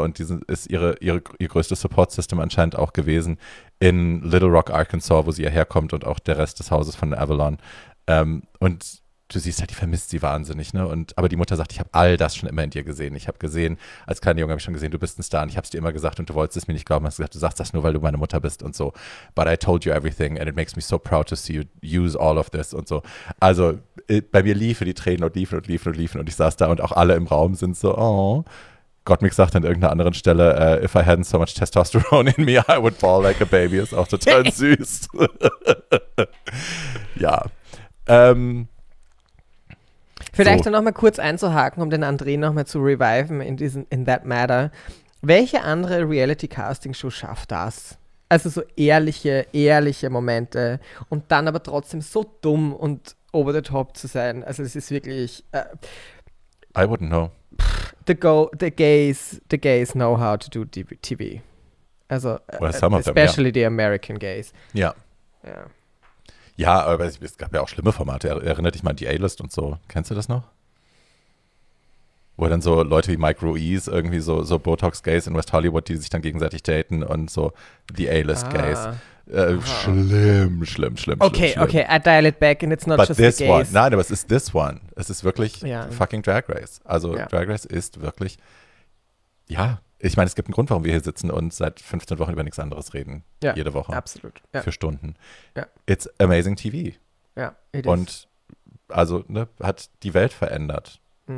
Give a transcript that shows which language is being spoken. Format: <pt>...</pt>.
<de>Und diese ist ihr größtes Support-System anscheinend auch gewesen in Little Rock, Arkansas, wo sie ja herkommt und auch der Rest des Hauses von Avalon. Und du siehst halt, die vermisst sie wahnsinnig, ne? Und aber die Mutter sagt, ich habe all das schon immer in dir gesehen. Ich habe gesehen, als kleiner Junge habe ich schon gesehen, du bist ein Star und ich habe es dir immer gesagt und du wolltest es mir nicht glauben. Hast gesagt, du sagst das nur, weil du meine Mutter bist und so.</de> <en>But I told you everything and it makes me so proud to see you use all of this</en> <de>und so. Also bei mir liefen die Tränen und liefen und liefen und liefen und ich saß da und auch alle im Raum sind so, oh. Gottmik sagt an irgendeiner anderen Stelle,</de> <en>if I hadn't so much testosterone in me, I would fall like a baby.</en> <de>Ist auch total süß. Ja. Vielleicht so. Noch mal kurz einzuhaken, um den André noch mal zu reviven</de> <en>in that matter.</en> <de>Welche andere Reality-Casting-Show schafft das? Also so ehrliche Momente und dann aber trotzdem so dumm und over the top zu sein. Also es ist wirklich</de> <en>I wouldn't know. The gays know how to do TV. Also especially The American gays. Ja. Yeah. Yeah.</en> <de>Ja, aber es gab ja auch schlimme Formate. Erinnert dich mal an die A-List und so. Kennst du das noch? Wo dann so Leute wie Mike Ruiz, irgendwie so Botox-Gays in West Hollywood, die sich dann gegenseitig daten und so die A-List-Gays. Schlimm.</de> <en>Okay, I dial it back and it's not but just this the gays. One.</en> <de>Nein, aber es ist</de> <en>this one.</en> <de>Es ist wirklich fucking Drag Race. Also Drag Race ist wirklich, ja. Ich meine, es gibt einen Grund, warum wir hier sitzen und seit 15 Wochen über nichts anderes reden. Ja, jede Woche. Absolut. Ja. Für Stunden. Ja.</de> <en>It's amazing TV.</en> <de>Ja,</de> <en>it is.</en> <de>Und also ne, hat die Welt verändert. Mhm.</de>